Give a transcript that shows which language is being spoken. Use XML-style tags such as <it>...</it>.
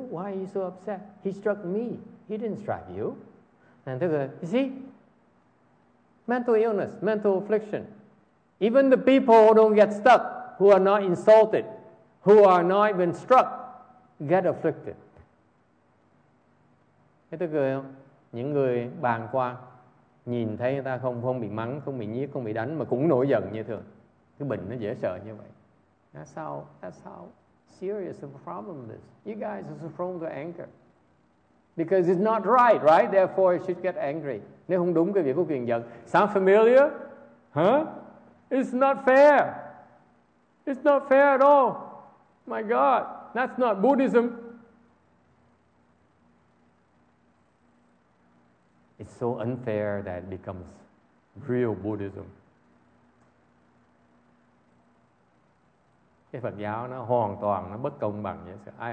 <en>Why are you so upset? He struck me. He didn't strike you. And they go, you see? Mental illness, mental affliction. Even the people who don't get stuck, who are not insulted, who are not even struck, get afflicted.</en> <vi>Thế tôi cười không? Những người bàng quang, nhìn thấy người ta không không bị mắng, không bị nhiếc, không bị đánh, mà cũng nổi giận như thường. Cái bệnh nó dễ sợ như vậy.</vi> <en>That's how serious of a problem this. You guys are so prone to anger. Because it's not right, right? Therefore, you should get angry.</en> <vi>Nếu không đúng cái việc của quyền giận.</vi> <en>Sound familiar? Huh? It's not fair. It's not fair at all. My God, that's not Buddhism. It's so unfair that it becomes real Buddhism.</en> <vi>Cái Phật giáo nó hoàn toàn nó bất công bằng vậy.</vi>